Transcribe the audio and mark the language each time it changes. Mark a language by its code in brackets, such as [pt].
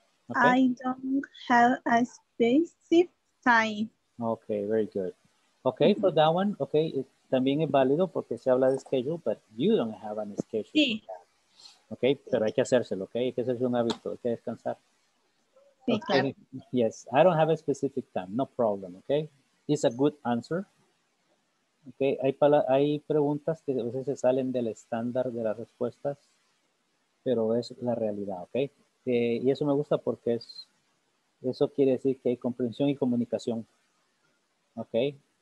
[en] Okay. I don't have a specific time. Okay, very good. Okay, for that one, okay, it, [es] también es válido porque se habla de schedule, [en] but you don't have an schedule. [es] Sí. Okay, pero hay que hacérselo, okay? Hay que hacerse un hábito, hay que descansar. Sí, okay. Claro. [en] Yes, I don't have a specific time, no problem, okay? It's a good answer. [es] Okay, hay preguntas que a veces se salen del estándar de las respuestas, pero es la realidad, okay? Y eso me gusta porque es, eso quiere decir que hay comprensión y comunicación, okay?